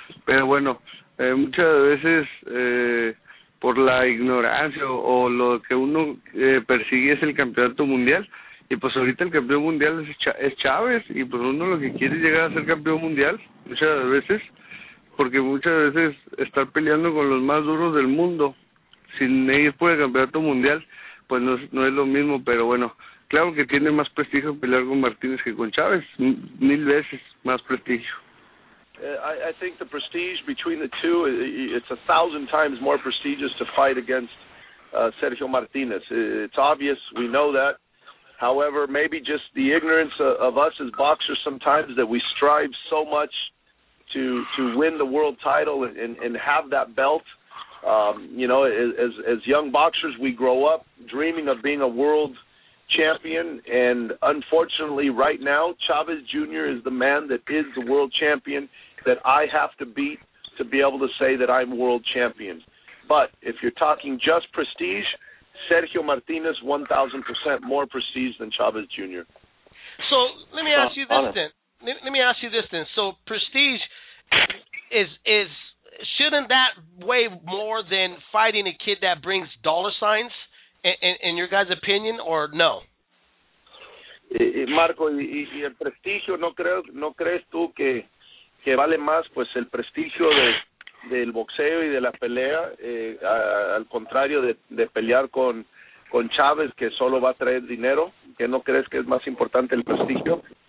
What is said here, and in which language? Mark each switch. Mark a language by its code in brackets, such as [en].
[es] Pero bueno, muchas veces por la ignorancia o lo que uno persigue es el campeonato mundial, y pues ahorita el campeón mundial es Chávez, y pues uno lo que quiere es llegar a ser campeón mundial muchas veces, porque muchas veces estar peleando con los más duros del mundo sin ir por el campeonato mundial, pues no es lo mismo. Pero bueno, claro que tiene más prestigio pelear con Martínez que con Chávez, mil veces más prestigio. [en] I think the prestige between the two, it's 1,000 times more prestigious to fight against Sergio Martinez. It's obvious, we know that. However, maybe just the ignorance of us as boxers sometimes, that we strive so much to win the world title and have that belt. You know, as young boxers, we grow up dreaming of being a world champion. And unfortunately, right now, Chavez Jr. is the man that is the world champion that I have to beat to be able to say that I'm world champion. But if you're talking just prestige, Sergio Martinez 1,000% more prestige than Chavez Jr. So let me ask you this then. Let me ask you this then. So prestige is shouldn't that weigh more than fighting a kid that brings dollar signs, in your guys' opinion, or no? [es] Marco, y el prestigio, ¿no crees tú que vale más pues el prestigio del boxeo y de la pelea, al contrario de pelear con Chávez, que solo va a traer dinero? ¿Que no crees que es más importante el prestigio?